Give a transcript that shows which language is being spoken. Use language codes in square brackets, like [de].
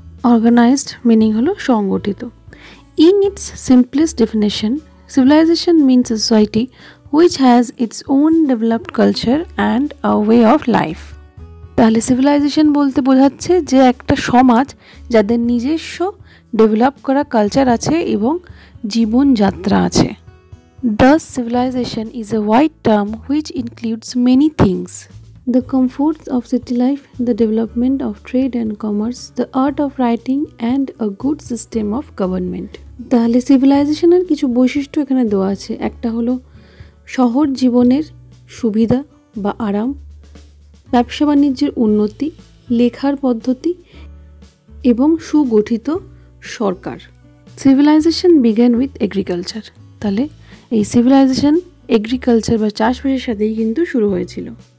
[en] organised meaning [bn] হলো সংগঠিত। [en] In its simplest definition civilisation means society which has its own developed culture and a way of life. [bn] তাহলে civilisation বলতে বোঝাচ্ছে যে একটা সমাজ যাদের নিজস্ব ডেভেলপ করা কালচার আছে এবং জীবনযাত্রা আছে। [en] Thus, civilization is a wide term which includes many things. The comforts of city life, the development of trade and commerce, the art of writing and a good system of government. [bn] তাহলে সিভিলাইজেশনের কিছু বৈশিষ্ট্য এখানে দেওয়া আছে। একটা হলো শহর জীবনের সুবিধা বা আরাম, ব্যবসা বাণিজ্যের উন্নতি, লেখার পদ্ধতি এবং সুগঠিত সরকার। [en] Civilisation began with agriculture. [bn] তাহলে এই সিভিলাইজেশন এগ্রিকালচার বা চাষবাসের সাথেই কিন্তু শুরু হয়েছিল।